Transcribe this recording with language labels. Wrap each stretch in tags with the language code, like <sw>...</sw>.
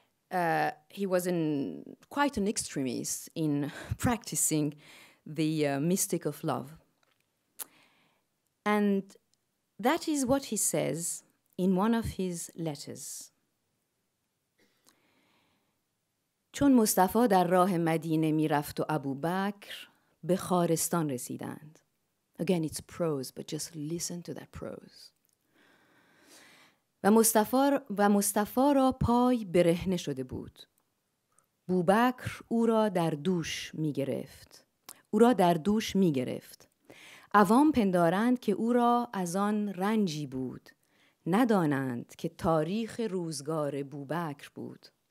<en>He was quite an extremist in practicing the mystic of love. And that is what he says in one of his letters.</en> <fa>چون مصطفی در راه مدینه می رفت و ابو بکر به خارستان رسیدند.</fa> <en>Again, it's prose, but just listen to that prose.</en> <fa>و مصطفی را پای برهنه شده بود. بوبکر او را در دوش می گرفت. او را در دوش می گرفت. عوام پندارند که او را از آن رنجی بود. ندانند که تاریخ روزگار بوبکر بود.</fa>